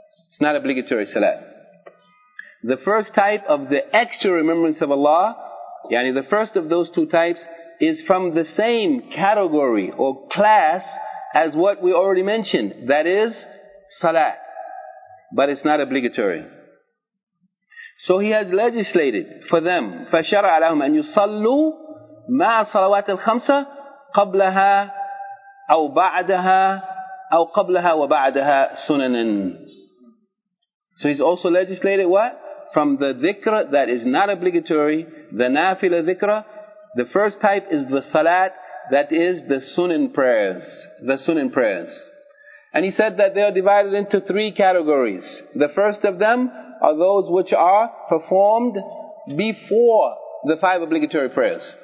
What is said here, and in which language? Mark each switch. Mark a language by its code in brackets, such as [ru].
[en] It's not obligatory salat. The first type of the extra remembrance of Allah, yani the first of those two types, is from the same category or class as what we already mentioned, that is salat, but it's not obligatory. So He has legislated for them, [ar] فَشَرَعَ لَهُمْ أَنْ يُصَلُّوا مَا صَلَوَاتِ الْخَمْسَ قَبْلَهَا أَوْ بَعْدَهَا أَوْ قَبْلَهَا وَبَعْدَهَا سُنَنًا. [en] So He's also legislated what? From the dhikr that is not obligatory, the nafila dhikr, the first type is the salat, that is the sunan prayers. The sunan prayers. And He said that they are divided into three categories. The first of them are those which are performed before the five obligatory prayers.